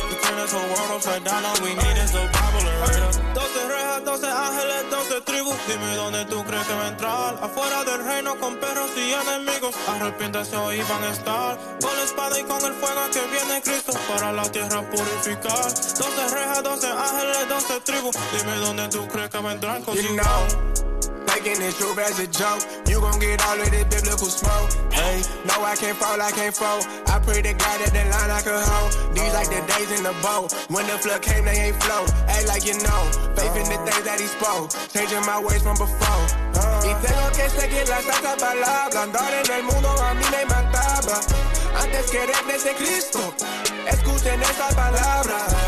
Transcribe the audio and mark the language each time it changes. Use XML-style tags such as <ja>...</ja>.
<en>The turn this whole world upside down, all we need is a Bible and real.</en> <es>12 rejas, 12 ángeles, 12 tribus. Dime dónde tú crees que va a entrar. Afuera del reino con perros y enemigos. Arrepiéntese hoy y van a estar. Con la espada y con el fuego que viene Cristo para la tierra purificar. 12 rejas, 12 ángeles, 12 tribus. Dime dónde tú crees que va a entrar.</es> <en>You know, taking this truth as a joke. You gon' get all of this biblical smoke. Hey, no, I can't fall. I pray to God that the line I could hold. These like the days in the boat. When the flood came, they ain't flow. Act like you know, faith in the things that he spoke. Changing my ways from before.</en> <es>Y tengo que seguir las santas palabras. Andar en el mundo a mí me mataba. Antes que eres de Cristo, escuchen esa palabra.</es>